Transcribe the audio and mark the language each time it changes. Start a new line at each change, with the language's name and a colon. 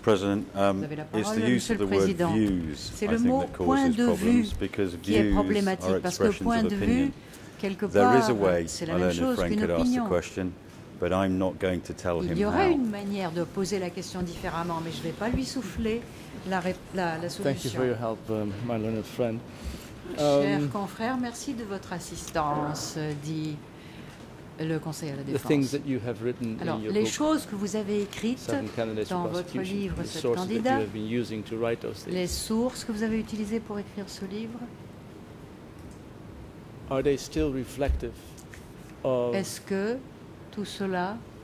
English: President, it's the use of the word views, I think, that causes problems, because views are expressions of opinion. There is a way, I learned that Frank could ask the question, but I'm not going to tell him how.
French: Il y aurait une manière de poser la question différemment, mais je ne vais pas lui souffler la solution.
English: Thank you for your help, my learned friend.
French: Cher confrère, merci de votre assistance, dit le Conseil à la Défense. Alors, les choses que vous avez écrites dans votre livre « Sept candidats », les sources que vous avez utilisées pour écrire ce livre, est-ce que tout cela